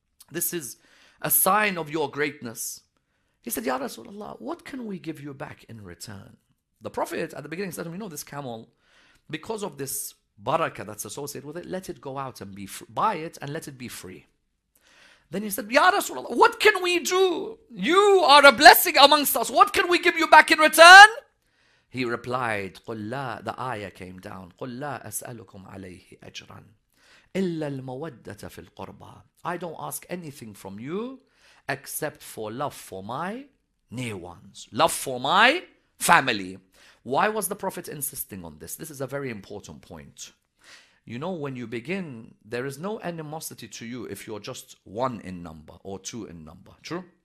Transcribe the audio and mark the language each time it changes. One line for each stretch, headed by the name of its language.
English: This is a sign of your greatness. He said, Ya Rasulullah, what can we give you back in return? The Prophet at the beginning said to him, you know, this camel, because of this barakah that's associated with it, let it go out and be buy it and let it be free. Then he said, Ya Rasulullah, what can we do? You are a blessing amongst us. What can we give you back in return? He replied,
Arabic: قُلْ لَا,
English: the ayah came down,
Arabic: قُلْ لَا أَسْأَلُكُمْ عَلَيْهِ أَجْرًا إِلَّا الْمَوَدَّةَ فِي الْقُرْبَى.
English: I don't ask anything from you except for love for my near ones, love for my family. Why was the Prophet insisting on this? This is a very important point. You know, when you begin, there is no animosity to you if you're just one in number or two in number. True?